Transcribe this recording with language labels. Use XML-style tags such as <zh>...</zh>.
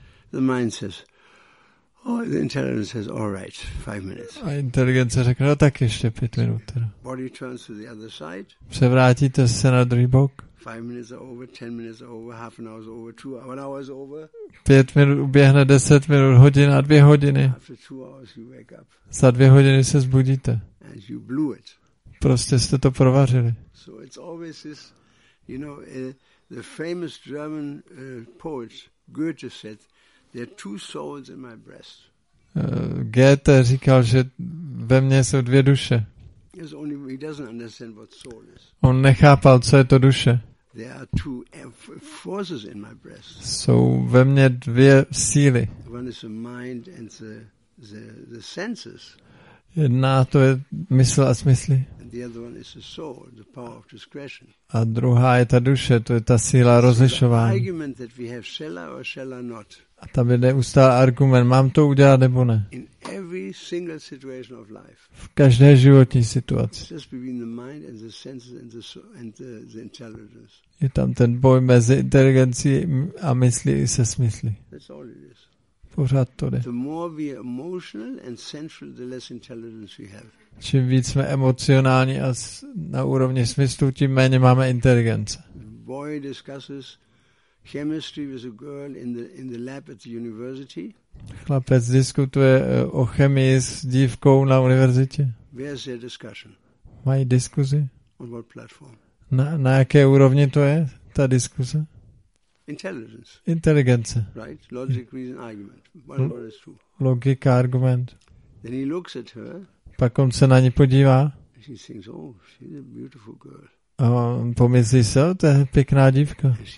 <en>The mind says, oh, the intelligence says, all right, 5 minutes.</en> <cs>A inteligence řekne, no tak ještě 5 minut.</cs> <en>Body turns to the other side.</en> <cs>Převrátíte se na druhý bok.</cs> <en>5 minutes are over, 10 minutes are over, half an hour is over, 1 hour is over.</en> <cs>5 minut uběhne, 10 minut, hodina, 2 hodiny.</cs> <en>After 2 hours you wake up.</en> <cs>Za 2 hodiny se zbudíte.</cs> <en>And you blew it.</en> <cs>Prostě jste to provařili.</cs> <en>So it's always this, you know, the famous German poet Goethe said, there are 2 souls in my breast.</en> <cs>Goethe říkal, že ve mně jsou 2 duše.</cs> <en>He doesn't understand what soul is.</en> <cs>On nechápal, co je to duše.</cs> <en>There are 2 forces in my breast.</en> <cs>Jsou ve mně 2 síly.</cs> <en>One is the mind and the senses.</en> <cs>Jedna to je mysl a smysly.</cs> <en>And the other one is the soul, the power of discretion.</en> <cs>A druhá je ta duše, to je ta síla rozlišování.</cs> <en>The argument that we have shall I or shall I not.</en> <cs>A tam je neustále argument, mám to udělat nebo ne.</cs> <en>In every single situation of life.</en> <cs>V každé životní situaci.</cs> <en>Just between the mind and the senses and the intelligence.</en> <cs>Je tam ten boj mezi inteligencí a myslí i se smysly.</cs> <en>That's all it is.</en> <cs>Pořád to jde.</cs> <en>The more we are emotional and sensual, the less intelligence we have.</en> <cs>Čím víc jsme emocionální a na úrovni smyslu, tím méně máme inteligence.</cs> <en>Boy discusses chemistry with a girl in the lab at the university.</en> <cs>Chlapec diskutuje o chemii s dívkou na univerzitě.</cs> <en>Where is their discussion?</en> <cs>Mají diskuzi?</cs> <en>On what platform?</en> <cs>Na jaké úrovni to je ta diskuze?</cs> <en>Intelligence.</en> <cs>Inteligence.</cs> <en>Right? Logic, reason, argument. One word is true.</en> <cs>Logika, argument.</cs> <en>Then he looks at her.</en> <cs>Pak on se na ní podívá.</cs> <en>She thinks, oh, she's a beautiful girl.</en> <cs>A pomyslí se, to je pěkná dívka.</cs>